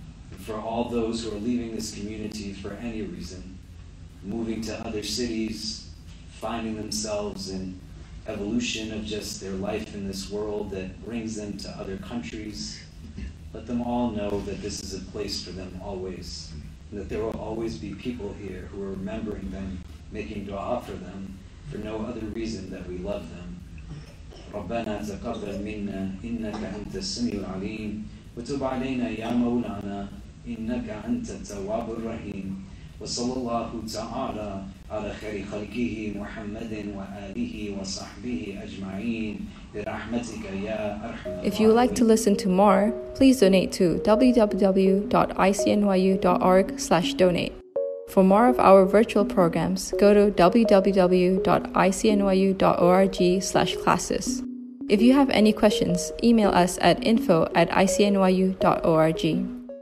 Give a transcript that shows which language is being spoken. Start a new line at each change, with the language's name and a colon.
English: And for all those who are leaving this community for any reason, moving to other cities, finding themselves in evolution of just their life in this world that brings them to other countries, let them all know that this is a place for them always, and that there will always be people here who are remembering them, making dua for them, for no other reason that we love them.
Arabic: ربنا تقبل منا إنك أنت السميع العليم وتب علينا يا مولانا إنك أنت التواب الرحيم وصلى الله تعالى على خير خلقه محمد وآله وصحبه أجمعين برحمتك يا أرحم الراحمين.
English: If you would like to listen to more, please donate to www.icnyu.org/donate. For more of our virtual programs, go to www.icnyu.org/classes. If you have any questions, email us at info@icnyu.org.